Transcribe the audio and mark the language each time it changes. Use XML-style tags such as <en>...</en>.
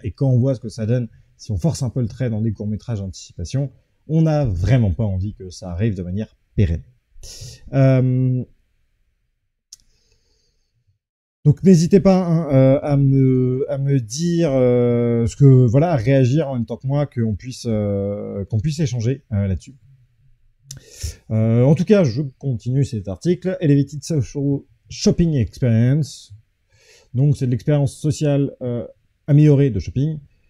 <fr>Et quand on voit ce que ça donne, si on force un peu le trait dans des courts-métrages d'anticipation, on n'a vraiment pas envie que ça arrive de manière pérenne. Donc n'hésitez pas à me dire ce que voilà, à réagir en même temps que moi, qu'on puisse échanger là-dessus. En tout cas, je continue cet article.</fr> <en>Elevated Social Shopping Experience.</en> <fr>Donc, c'est de l'expérience sociale améliorée de shopping.</fr>